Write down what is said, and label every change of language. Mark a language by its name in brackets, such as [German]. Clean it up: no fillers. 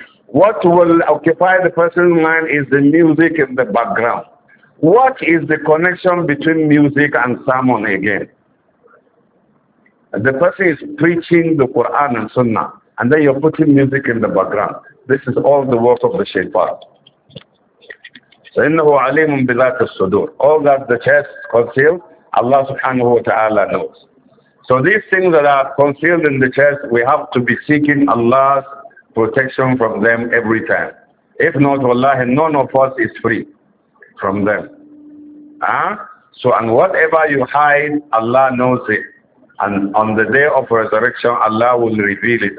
[English] What will occupy the person's mind is the music in the background. What is the connection between music and sermon again? The person is preaching the Quran and Sunnah, and then you're putting music in the background. This is all the work of the shaitan. [Arabic] So, إِنَّهُ عَلِيمٌ بِذَاتِ الصُّدُورِ. [English] All that the chest concealed, Allah subhanahu wa ta'ala knows. So these things that are concealed in the chest, we have to be seeking Allah's protection from them every time. If not, wallahi, none of us is free from them. So, and whatever you hide, Allah knows it. And on the day of resurrection, Allah will reveal it.